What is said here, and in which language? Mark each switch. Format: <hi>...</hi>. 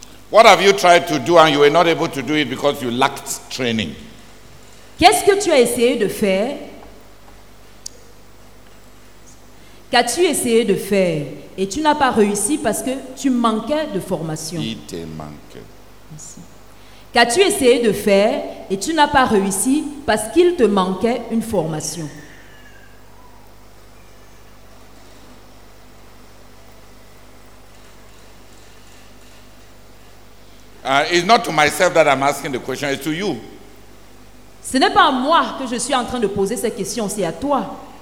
<en>What have you tried to do and you were not able to do it because you lacked training?</en> <fr>Qu'est-ce que tu as essayé de faire? Qu'as-tu essayé de faire et tu n'as pas réussi parce que tu manquais de formation? Il te manquait. Qu'as-tu essayé de faire et tu n'as pas réussi parce qu'il te manquait une formation?</fr> <en>It's not to myself that I'm asking the question, it's to you.</en> <fr>Ce n'est pas à moi que je suis en train de poser cette question, c'est à toi.</fr>